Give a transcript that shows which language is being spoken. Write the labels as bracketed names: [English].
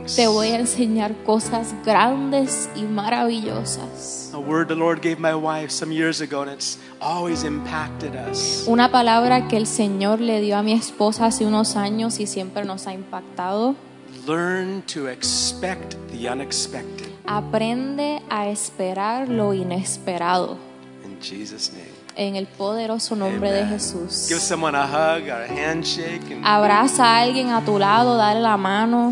[Spanish] Te voy a enseñar cosas grandes y maravillosas. [English] A word the Lord gave my wife some years ago and it's always impacted us. [Spanish] Una palabra que el Señor le dio a mi esposa hace unos años y siempre nos ha impactado. [English] Learn to expect the unexpected. [Spanish] Aprende a esperar lo inesperado. [English] In Jesus' name. [Spanish] En el poderoso nombre [English] amen. [Spanish] De Jesús. [English] Give someone a hug or a handshake and [Spanish] abraza a alguien a tu lado, dale la mano.